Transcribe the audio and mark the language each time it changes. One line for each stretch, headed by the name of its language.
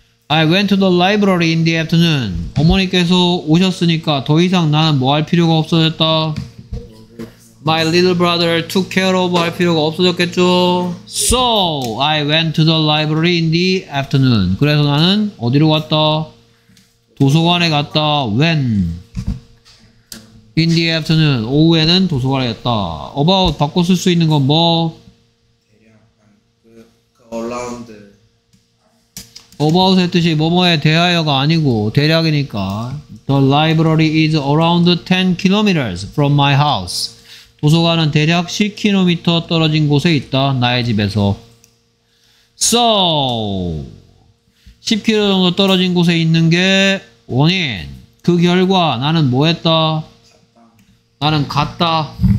English: I went to the library in the afternoon.
Korean: 어머니께서 오셨으니까 더 이상 나는 뭐 할 필요가 없어졌다.
English: My little brother took care of
Korean: 할 필요가 없어졌겠죠.
English: So I went to the library in the afternoon.
Korean: 그래서 나는 어디로 갔다? 도서관에 갔다.
English: When? In the afternoon.
Korean: 오후에는 도서관에 갔다. About 바꿔 쓸 수 있는 건 뭐? 대략 그 around. About의 뜻이 뭐뭐의 대하여가 아니고 대략이니까.
English: The library is around 10 kilometers from my house.
Korean: 도서관은 대략 10km 떨어진 곳에 있다. 나의 집에서. So 10km 정도 떨어진 곳에 있는 게 원인. 그 결과 나는 뭐 했다? 나는 갔다.